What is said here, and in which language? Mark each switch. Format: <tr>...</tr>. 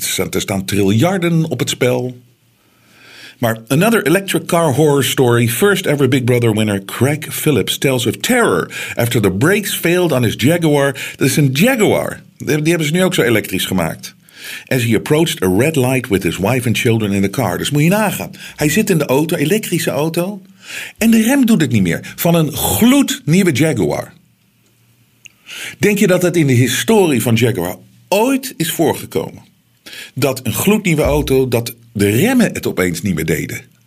<nl>Er staan triljarden op het spel.</nl> <en>Maar another electric car horror story. First ever Big Brother winner Craig Phillips tells of terror after the brakes failed on his Jaguar.</en> <nl>Dat is een Jaguar. Die hebben ze nu ook zo elektrisch gemaakt.</nl> <en>As he approached a red light with his wife and children in the car.</en> <nl>Dus moet je nagaan. Hij zit in de auto, elektrische auto. En de rem doet het niet meer. Van een gloednieuwe Jaguar. Denk je dat het in de historie van Jaguar ooit is voorgekomen? Dat een gloednieuwe auto, dat de remmen het opeens niet meer deden.</nl>